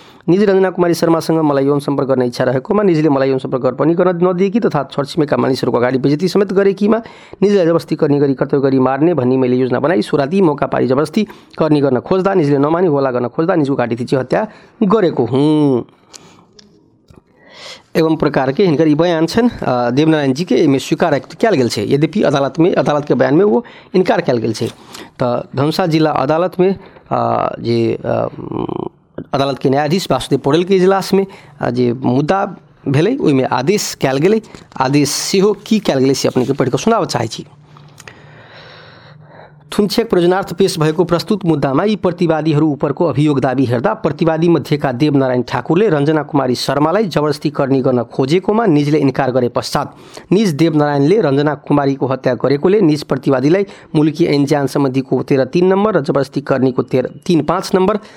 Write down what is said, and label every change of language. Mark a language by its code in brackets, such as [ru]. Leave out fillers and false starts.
[ne] निज रञ्जना कुमारी शर्मासँग मलाई यौन सम्पर्क गर्ने इच्छा रहेकोमा निजले मलाई यौन सम्पर्क पनि गर्न नदिएकी तथा छरछिमेका मानिसहरूको अगाडि बेइज्जती समेत गरेकीमा निजलाई जबस्ती गर्ने गरी कर्तव्य गरी मार्ने भनी मैले योजना बनाई सोराती मौका पारी जबरजस्ती गर्ने गर्न खोज्दा निजले नमानी होला गर्न खोज्दा निजको घाँटी थिची हत्या गरेको हुँ एवं प्रकारकै हिनकर यी बयान छन्। [mai] देवनारायणजीकै एहिमे स्वीकार कयल गेल छै। यद्यपि अदालतके बयानमे ओ इन्कार कयल गेल छै तऽ धनुषा जिला अदालतमे जे अदालत के न्यायाधीश वासुदेव पौड़ेल के इजलास में जे मुद्दा भेले ओहिमे आदेश कयल गेले आदेश सेहो की कयल गेले से अपने के पढ़ के सुनाबै चाहै छी। [ne] थुनछेक प्रयोजनार्थ पेश भएको प्रस्तुत मुद्दामा यी प्रतिवादीहरू उपरको अभियोग दाबी हेर्दा प्रतिवादी मध्येका देवनारायण ठाकुरले रञ्जना कुमारी शर्मालाई जबरजस्ती गर्ने गर्न खोजेकोमा निजले इन्कार गरे पश्चात निज देवनारायणले रञ्जना कुमारीको हत्या गरेकोले निज प्रतिवादीलाई मुल्की ऐन सम्बन्धीको 13(3) नम्बर र जबरजस्ती गर्नेको 13(3)(5) नम्बर